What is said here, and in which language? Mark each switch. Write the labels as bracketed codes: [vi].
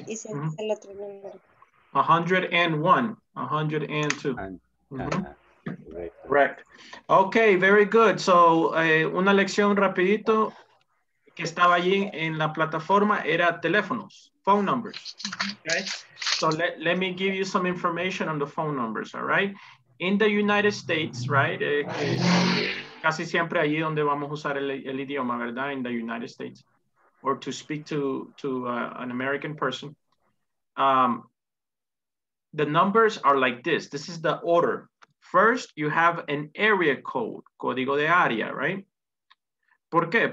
[es] Y se hace el otro número. [en] 101, 102. Correct. Okay, very good. [es] So, una lección rapidito que estaba allí en la plataforma era teléfonos, [en] phone numbers. Okay. So let me give you some information on the phone numbers, all right? In the United States, right? [es] Casi siempre allí donde vamos a usar el idioma, ¿verdad? [en] In the United States, or to speak to an American person. The numbers are like this. This is the order. First, you have an area code, [es] código de área, [en] right? [es] ¿Por qué?